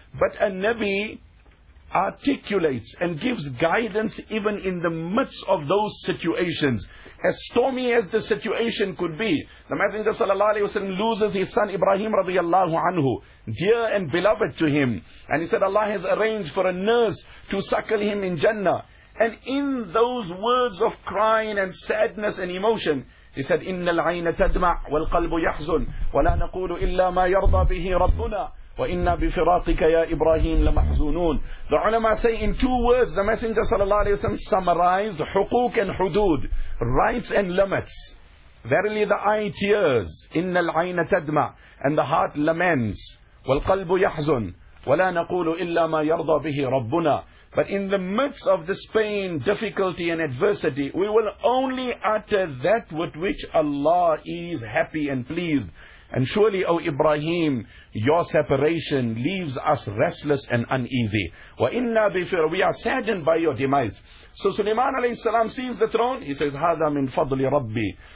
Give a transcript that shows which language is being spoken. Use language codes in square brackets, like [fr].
[en] But a Nabi articulates and gives guidance even in the midst of those situations. As stormy as the situation could be, the Messenger sallallahu alayhi wa sallam loses his son Ibrahim radiallahu anhu, dear and beloved to him. And he said, Allah has arranged for a nurse to suckle him in Jannah. And in those words of crying and sadness and emotion, he said, [ar] إِنَّ الْعَيْنَ تَدْمَعْ وَالْقَلْبُ يَحْزُنْ وَلَا نَقُولُ إِلَّا مَا يَرْضَى بِهِ رَبُّنَا وَإِنَّا بِفِرَاطِكَ يَا إِبْرَاهِيمُ لَمَحْزُونُونَ. [en] The ulama say in two words, the Messenger sallallahu alayhi wa sallam summarized حقوق and حدود, rights and limits. Verily the eye tears, [ar] إِنَّ الْعَيْنَ تَدْمَعْ, [en] and the heart laments, [ar] وَالْقَلْبُ يَحْزُنْ وَلَا نَقُولُ إِلَّا مَا يَرْضَى بِهِ رَبُّنَا. [en] But in the midst of this pain, difficulty and adversity, we will only utter that with which Allah is happy and pleased. And surely, O Ibrahim, your separation leaves us restless and uneasy. [ar] وَإِنَّا بِفِرْ, [en] we are saddened by your demise. So Sulaiman alayhi salam sees the throne, he says, [ar] هَذَا مِنْ فَضْلِ رَبِّي.